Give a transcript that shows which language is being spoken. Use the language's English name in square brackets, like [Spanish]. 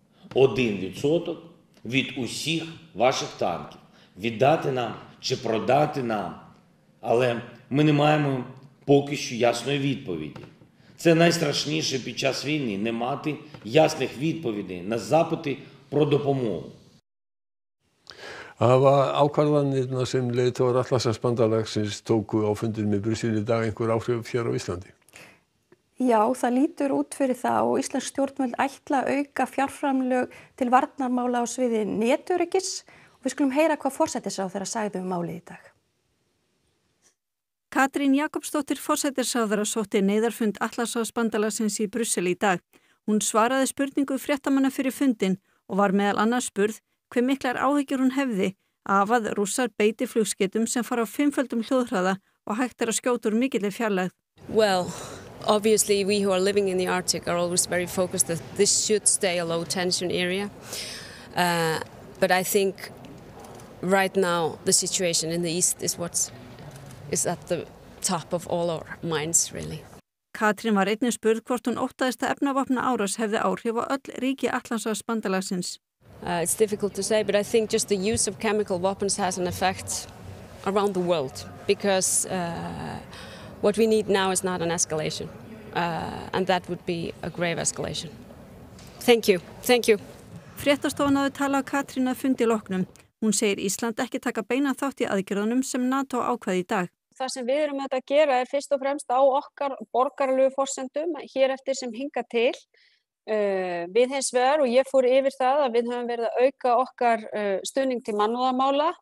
[Ukrainian] 1% від усіх ваших танків. Віддати нам чи продати нам. Але ми не маємо поки що ясної відповіді. Це найстрашніше під час війни – не мати ясних відповідей на запити про допомогу. [Icelandic] Hafa ákvarðanirna sem leiðtogar Atlantshafsbandalagsins tóku á fundinum í Brussel í dag einhver áhrif hér á Íslandi? Já, það lítur út fyrir það og íslensk stjórnvöld ætla að auka fjárframlög til varnarmála á sviði netöryggis og við skulum heyra hvað forsætisráðherra sagði málið í dag. Katrín Jakobsdóttir forsætisráðherra sótti neyðarfund Atlantshafsbandalagsins í Brussel í dag. Hún svaraði spurningu fréttamanna fyrir fundin og var meðal annars spurð hve miklar áhyggjur hún hefði af að rússar beiti flugskeytum sem fara á fimmföldum hljóðhraða og hægt er að skjóta úr mikilli fjarlægð. [English] Well, obviously we who are living in the Arctic are always very focused that this should stay a low tension area. But I think right now the situation in the east is what's at the top of all our minds really. [Icelandic] Katrín var einnig spurð hvort hún óttaðist að efnavopna árás hefði áhrif á öll ríki Atlantshafsbandalagsins. [English] It's difficult to say, but I think just the use of chemical weapons has an effect around the world because what we need now is not an escalation and that would be a grave escalation. Thank you. Thank you. [Icelandic] Fréttastofa náði tala á Katrín að fundi loknum. Hún segir Ísland ekki taka beina þátt í aðgerðunum sem NATO ákvaði í dag. Það sem við erum að þetta gera fyrst og fremst á okkar borgaralegu forsendum hér eftir sem hinga til. Við hins vegar og ég fór yfir það að við höfum verið að auka okkar stuðning til mannúðarmála.